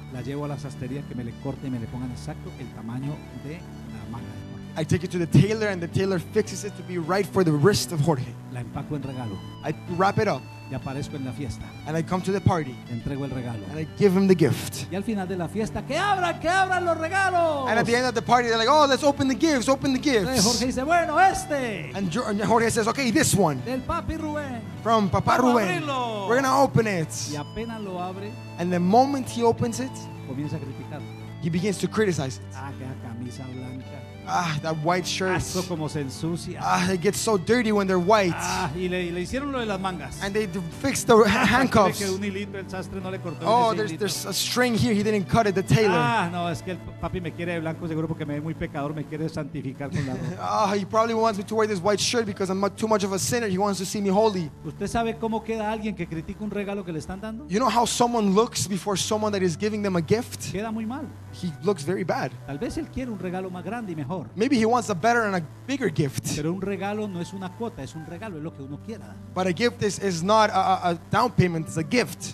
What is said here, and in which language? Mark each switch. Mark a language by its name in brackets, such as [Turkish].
[Spanish] La llevo a la sastrería que me le corte y me le pongan exacto el tamaño de la manga. [English] I take it to the tailor and the tailor fixes it to be right for the wrist of Jorge. [Spanish] La empaco en regalo. [English] I wrap it up. [Spanish] Y aparezco en la fiesta. [English] And I come to the party. [Spanish] Le entrego el regalo. [English] And I give him the gift. [Spanish] Y al final de la fiesta, que abran los regalos. [English] And at the end of the party, they're like, oh, let's open the gifts. [Spanish] Jorge dice, bueno, este. [English] And Jorge says, okay, this one. [Spanish] Del papi Rubén. [English] From Papa Rubén. [Spanish] Abrilo. [English] We're gonna open it. [Spanish] Y apenas lo abre. [English] And the moment he opens it, [Spanish] comienza a criticar. [English] He begins to criticize it. [Spanish] Ah, qué camisa blanca. [English] Ah, that white shirt. [Spanish] Eso como se ensucia. [English] Ah, it gets so dirty when they're white. [Spanish] Ah, y le hicieron lo de las mangas. [English] And they fixed the handcuffs. [Spanish] Que un hilito, el sastre no le cortó. [English] Oh, there's a string here. He didn't cut it. The tailor. [Spanish] Ah, no, es que el papi me quiere de blanco seguro porque me ve muy pecador. Me quiere santificar con la ropa. [English] Ah, he probably wants me to wear this white shirt because I'm too much of a sinner. He wants to see me holy. [Spanish] ¿Usted sabe cómo queda alguien que critica un regalo que le están dando? [English] You know how someone looks before someone that is giving them a gift? [Spanish] Queda muy mal. [English] He looks very bad. [Spanish] Tal vez él quiere un regalo más grande y mejor. [English] Maybe he wants a better and a bigger gift. [Spanish] Pero un regalo no es una cuota, es un regalo, es lo que uno quiera. [English] But a gift is not a down payment, it's a gift.